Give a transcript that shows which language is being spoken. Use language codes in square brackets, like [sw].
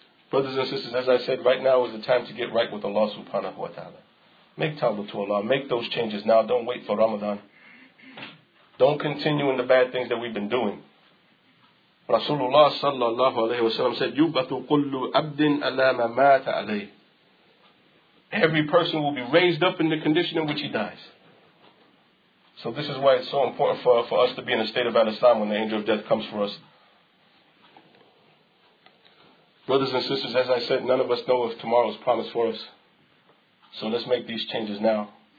[en] Brothers and sisters, as I said, right now is the time to get right with Allah subhanahu wa ta'ala. Make tawbah to Allah. Make those changes now. Don't wait for Ramadan. Don't continue in the bad things that we've been doing. Rasulullah sallallahu alayhi wa sallam said, [ar] يُبَثُ قُلُّ عَبْدٍ عَلَى مَا مَاتَ عَلَيْهِ. [en] Every person will be raised up in the condition in which he dies. So this is why it's so important for us to be in a state of al-Islam when the angel of death comes for us. Brothers and sisters, as I said, none of us know if tomorrow is promised for us. So let's make these changes now.